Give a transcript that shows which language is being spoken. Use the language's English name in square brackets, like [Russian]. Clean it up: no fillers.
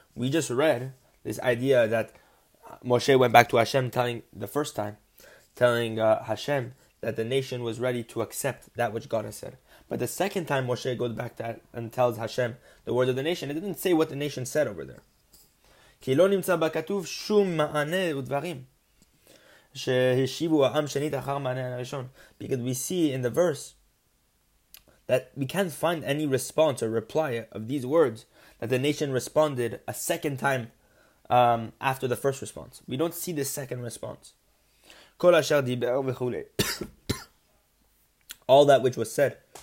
[English] We just read this idea that Moshe went back to Hashem telling Hashem that the nation was ready to accept that which God has said. But the second time Moshe goes back to and tells Hashem the words of the nation, it didn't say what the nation said over there. [Hebrew] כי לא נמצא בכתוב שום מענה ודברים שהשיבו העם שנית אחר מענה הראשון. [English] Because we see in the verse that we can't find any response or reply of these words that the nation responded a second time after the first response. We don't see the second response. [Hebrew] כל אשר דיבר וכו'. [English] All that which was said.